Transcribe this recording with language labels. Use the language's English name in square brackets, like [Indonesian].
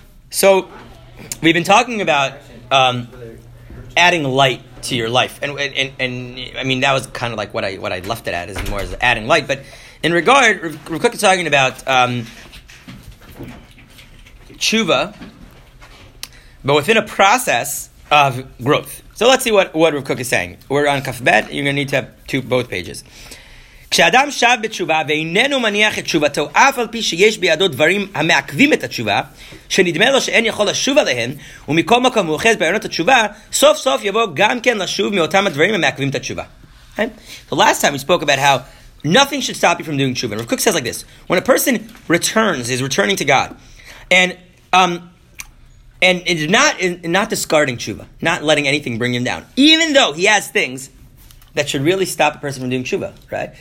[English] So, we've been talking about adding light to your life, and I mean that was kind of like what I left it at is more as adding light. But in regard, we're quickly talking about tshuva, but within a process of growth. So let's see what Rav Kook is saying. We're on Kaf Bet. You're going to need to have both pages. [Hebrew] כשאדם שב בתשובה ואיננו מניח את תשובתו, אף על פי שיש בידו דברים המעכבים את התשובה, שנדמה לו שאין יכול לשוב עליהם, ומכל מקום מאוחז בעיונות התשובה, סוף סוף יבוא גם כן לשוב מאותם הדברים המעכבים את התשובה. [English] The last time we spoke about how nothing should stop you from doing tshuva. Rav Kook says like this, when a person returns, is returning to God, and is not discarding tshuva, not letting anything bring him down, even though he has things that should really stop a person from doing tshuva, right?